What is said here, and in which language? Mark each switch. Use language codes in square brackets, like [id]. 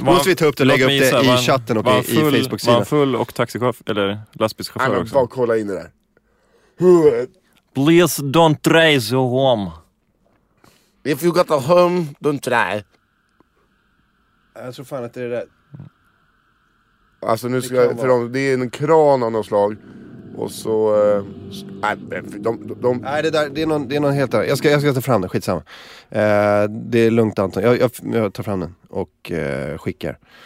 [sv] Måste vi ta upp det och lägga upp det i chatten och i Facebook-sidan. Var full och taxichauff eller lastbilschaufför också. Bara kolla in det där. [en] Please don't drive you home. If you got a home, don't drive. [sv] Jag tror fan att det är det. Alltså nu ska jag, för dem, det är en kran av något slag. Och så det är någon helt annan. Jag ska ta fram den, skitsamma. Det är lugnt Anton. Jag tar fram den och skickar.